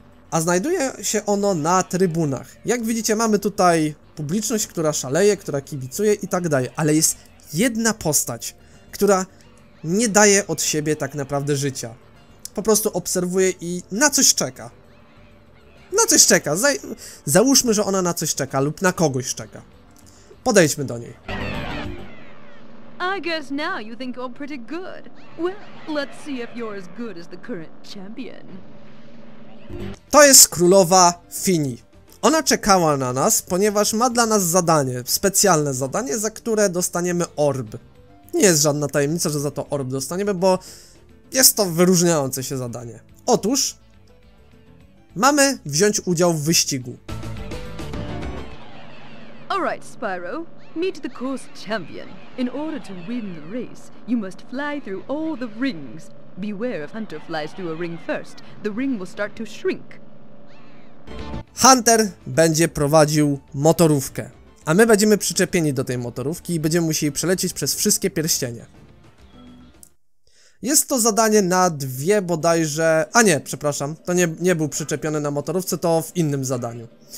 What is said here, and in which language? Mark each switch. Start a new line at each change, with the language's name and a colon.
Polish: A znajduje się ono na trybunach. Jak widzicie, mamy tutaj publiczność, która szaleje, która kibicuje i tak dalej, ale jest jedna postać, która nie daje od siebie tak naprawdę życia. Po prostu obserwuje i na coś czeka. Na coś czeka. Załóżmy, że ona na coś czeka lub na kogoś czeka. Podejdźmy do niej.
English: I guess now you think I'm pretty good. Well, let's see if you're as good as the current champion.
Polish: To jest królowa Fini. Ona czekała na nas, ponieważ ma dla nas zadanie, specjalne zadanie, za które dostaniemy orb. Nie jest żadna tajemnica, że za to orb dostaniemy, bo jest to wyróżniające się zadanie. Otóż mamy wziąć udział w wyścigu.
English: Alright, Spyro, meet the course champion. In order to win the race, you must fly through all the rings. Beware if Hunter flies through a ring first. The ring will start to shrink.
Polish: Hunter będzie prowadził motorówkę, a my będziemy przyczepieni do tej motorówki i będziemy musieli przelecieć przez wszystkie pierścienie. Jest to zadanie na dwie bodajże... A nie, przepraszam, to nie był przyczepiony na motorówce, to w innym zadaniu.